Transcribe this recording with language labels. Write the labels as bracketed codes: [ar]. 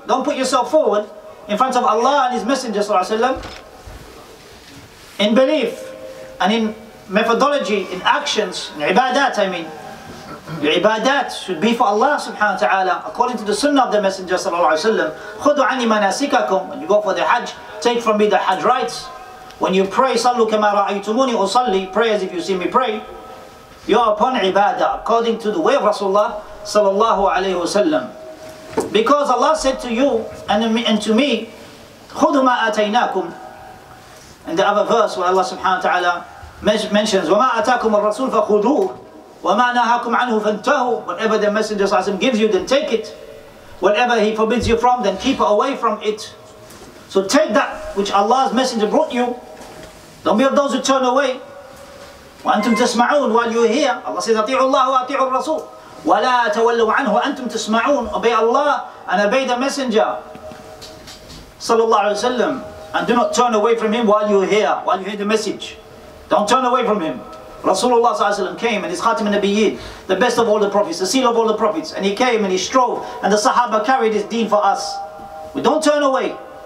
[en] Don't put yourself forward in front of Allah and His Messenger, sallallahu alayhi wa sallam, in belief and in methodology, in actions, in ibadat, I mean. Your ibadat should be for Allah subhanahu wa ta'ala, according to the sunnah of the Messenger sallallahu alayhi wa sallam. [ar] خُدُوا عَنِي مَنَاسِكَكُمْ. [en] When you go for the hajj, take from me the hajj rites. When you pray, [ar] صَلُّوا كَمَا رَأَيْتُمُونِي أُصَلِّي. [en] Pray as if you see me pray. You are upon ibadah, according to the way of Rasulullah sallallahu alayhi wa sallam. Because Allah said to you and to me, [ar] خُدُوا مَا أَتَيْنَاكُمْ. [en] In the other verse where Allah subhanahu wa ta'ala mentions, [ar] وَمَا أَتَاكُمُ الرَّسُولُ فَخُذُوهُ وَمَا نَهَاكُمْ عَنْهُ فَانْتَهُوا. [en] Whatever the Messenger gives you, then take it. Whatever he forbids you from, then keep away from it. So take that which Allah's Messenger brought you. Don't be of those who turn away. [ar] وَأَنْتُمْ تَسْمَعُونَ. [en] While you're here, Allah says, [ar] أَطِيعُوا اللَّهُ وَأَطِيعُوا الرَّسُولُ وَلَا تَوَلُّوا عَنْهُ وَأَنْتُمْ تَسْمَعُونَ. [en] Obey Allah and obey the Messenger صلى الله عليه وسلم, and do not turn away from him while you're here, while you hear the message. Don't turn away from him. Rasulullah came and his Khatim al-Nabiyyin, the best of all the prophets, the seal of all the prophets, and he came and he strove, and the Sahaba carried his deen for us. We don't turn away.